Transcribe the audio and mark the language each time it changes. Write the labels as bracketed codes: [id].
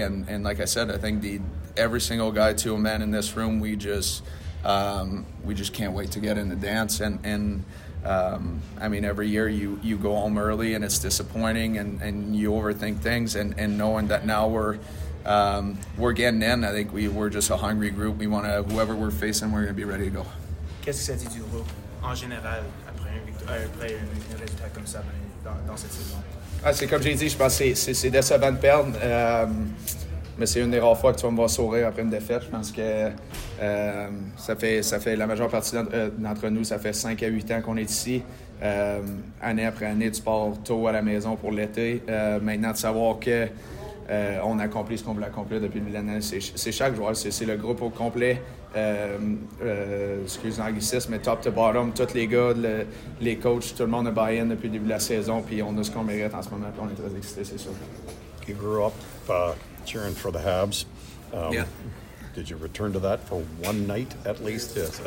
[en] And like I said, I think every single guy to a man in this room, we just can't wait to get in the dance. And I mean, every year you go home early and it's disappointing and you overthink things. And knowing that now we're getting in, I think we're just a hungry group. We want to, whoever we're facing, we're going to be ready to go. [fr] Qu'est-ce que ça dit du groupe en général après un résultat comme ça dans cette saison? Ah, c'est comme j'ai dit, je pense que c'est décevant de perdre, mais c'est une des rares fois que tu vas me voir sourire après une défaite. Je pense que ça fait la majeure partie d'entre nous, ça fait 5 à 8 ans qu'on est ici. Année après année, tu pars tôt à la maison pour l'été. Maintenant, de savoir qu'on accomplit ce qu'on veut accomplir depuis l'année, c'est chaque joueur, c'est le groupe au complet. Excuse l'anglicisme, mais [en] top to bottom, [fr] tous les gars, les coachs, tout le monde a buy-in depuis le début de la saison, puis on a ce qu'on mérite en ce moment, puis on est très excités, c'est sûr. [en] You grew up cheering for the Habs. Did you return to that for one night at least?